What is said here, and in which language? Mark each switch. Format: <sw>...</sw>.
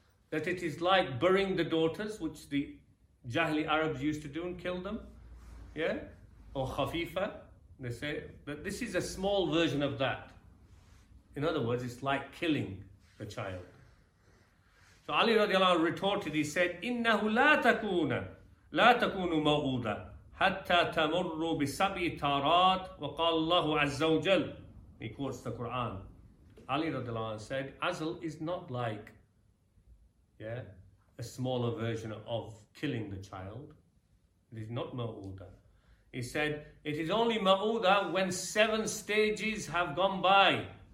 <en>That it is like burying the daughters, which the Jahili Arabs used to do and kill them. Yeah? Or khafifa, they say. That this is a small version of that. In other words, it's like killing the child. So Ali radiallahu anhu retorted, he said,</en> <ar>إِنَّهُ لَا تَكُونُ مَوْءُودًا حَتَّى تَمُرُّ بِسَبْعِ تَارَاتٍ وَقَالَ اللَّهُ عَزَّ وَجَلَّ.</ar> <en>He quotes the Quran. Ali radiallahu anhu said, azl is not like, yeah, a smaller version of killing the child. It is not ma'uda. He said, it is only ma'uda when 7 stages have gone by.</en>